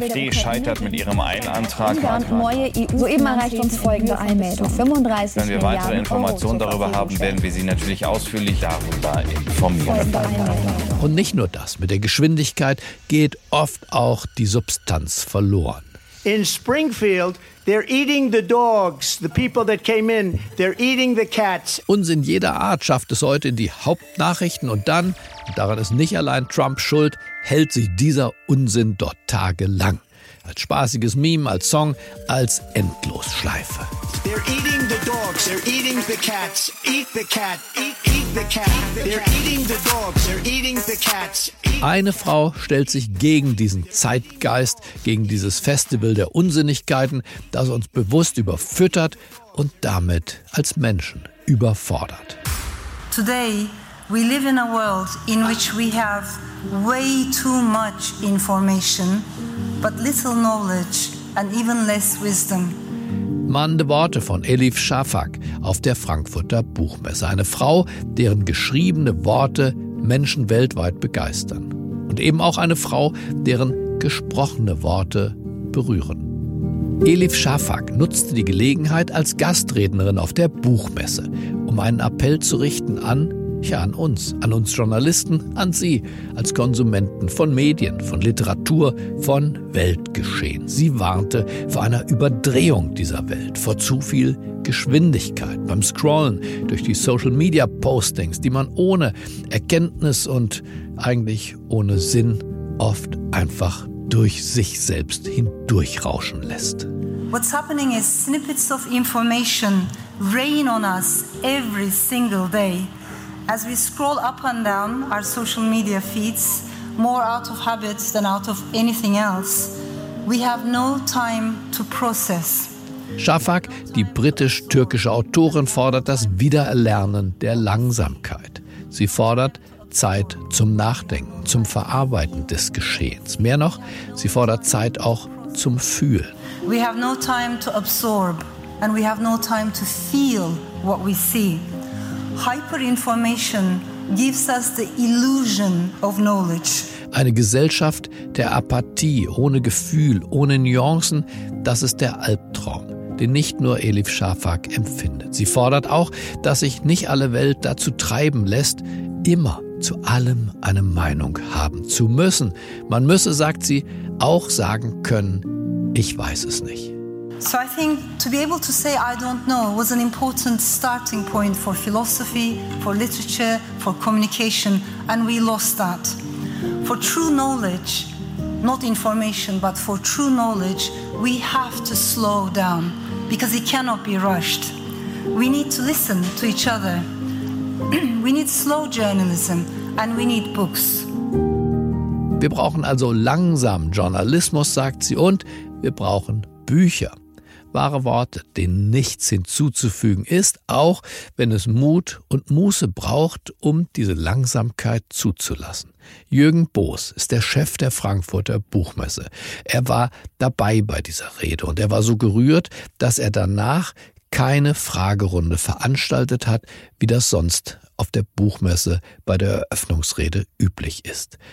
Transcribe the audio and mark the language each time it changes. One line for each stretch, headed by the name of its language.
German: Die AfD scheitert mit ihrem Eilantrag. Soeben erreicht uns folgende Einmeldung. 35 Wenn wir weitere Informationen darüber haben, werden wir Sie natürlich ausführlich darüber informieren. Und nicht nur das. Mit der Geschwindigkeit geht oft auch die Substanz verloren.
English: In Springfield, they're eating the dogs, the people that came in, they're eating the cats.
German: Uns in jeder Art schafft es heute in die Hauptnachrichten und dann, daran ist nicht allein Trump schuld, hält sich dieser Unsinn dort tagelang. Als spaßiges Meme, als Song, als Endlosschleife.
English: They're eating the dogs, they're eating the cats, eat the cat, eat the cat. They're eating the dogs, they're eating the cats.
German: Eine Frau stellt sich gegen diesen Zeitgeist, gegen dieses Festival der Unsinnigkeiten, das uns bewusst überfüttert und damit als Menschen überfordert.
English: Today we live in a world in which we have way too much information, but little knowledge and even less wisdom.
German: Mahnende Worte von Elif Shafak auf der Frankfurter Buchmesse. Eine Frau, deren geschriebene Worte Menschen weltweit begeistern. Und eben auch eine Frau, deren gesprochene Worte berühren. Elif Shafak nutzte die Gelegenheit als Gastrednerin auf der Buchmesse, um einen Appell zu richten an uns Journalisten, an Sie als Konsumenten von Medien, von Literatur, von Weltgeschehen. Sie warnte vor einer Überdrehung dieser Welt, vor zu viel Geschwindigkeit beim Scrollen durch die Social-Media-Postings, die man ohne Erkenntnis und eigentlich ohne Sinn oft einfach durch sich selbst hindurchrauschen lässt.
English: What's happening is snippets of information rain on us every single day. As we scroll up and down our social media feeds, more out of habit than out of anything else, we have no time to process.
German: Shafak, die britisch-türkische Autorin, fordert das Wiedererlernen der Langsamkeit. Sie fordert Zeit zum Nachdenken, zum Verarbeiten des Geschehens. Mehr noch, sie fordert Zeit auch zum Fühlen.
English: We have no time to absorb and we have no time to feel what we see. Hyperinformation gives us the illusion of knowledge.
German: Eine Gesellschaft der Apathie, ohne Gefühl, ohne Nuancen, das ist der Albtraum, den nicht nur Elif Shafak empfindet. Sie fordert auch, dass sich nicht alle Welt dazu treiben lässt, immer zu allem eine Meinung haben zu müssen. Man müsse, sagt sie, auch sagen können, ich weiß es nicht.
English: So I think to be able to say I don't know was an important starting point for philosophy, for literature, for communication, and we lost that. For true knowledge, not information, but for true knowledge, we have to slow down because it cannot be rushed. We need to listen to each other. We need slow journalism and we need books.
German: Wir brauchen also langsamen Journalismus, sagt sie, und wir brauchen Bücher. Wahre Worte, denen nichts hinzuzufügen ist, auch wenn es Mut und Muße braucht, um diese Langsamkeit zuzulassen. Jürgen Boos ist der Chef der Frankfurter Buchmesse. Er war dabei bei dieser Rede und er war so gerührt, dass er danach keine Fragerunde veranstaltet hat, wie das sonst auf der Buchmesse bei der Eröffnungsrede üblich ist.